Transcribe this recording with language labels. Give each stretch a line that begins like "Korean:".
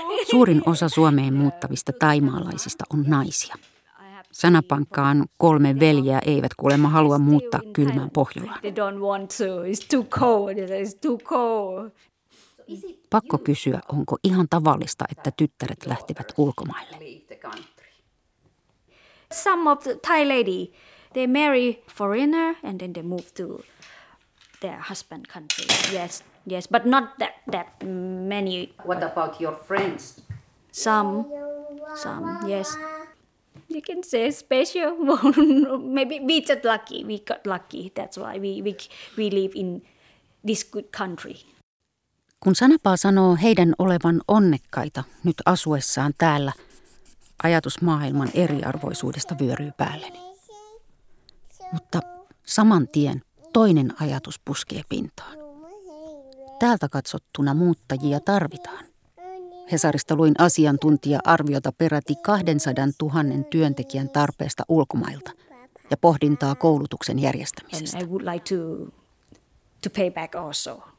Finnish: Suurin osa Suomeen muuttavista taimaalaisista on naisia. Sanapankkaan kolme veljeä eivät kuulemma halua muuttaa kylmään Pohjolaan.
English: They don't want to. It's too cold. It's too cold.
Finnish: Pakko kysyä, onko ihan tavallista, että tyttäret lähtevät ulkomaille?
English: Some of the Thai lady, they marry foreigner and then they move to their husband country. Yes, yes, but not that many. What about your friends? Some, yes. You can say special. Maybe we just lucky. We got lucky. That's why we live in this good country.
Finnish: Kun Shanapa sanoo heidän olevan onnekkaita nyt asuessaan täällä, ajatus maailman eriarvoisuudesta vyöryy päälleni. Mutta saman tien toinen ajatus puskee pintaan. Täältä katsottuna muuttajia tarvitaan. Hesarista luin asiantuntija-arviota peräti 200 000 työntekijän tarpeesta ulkomailta ja pohdintaa koulutuksen järjestämisestä.
English: And I would like to pay back also.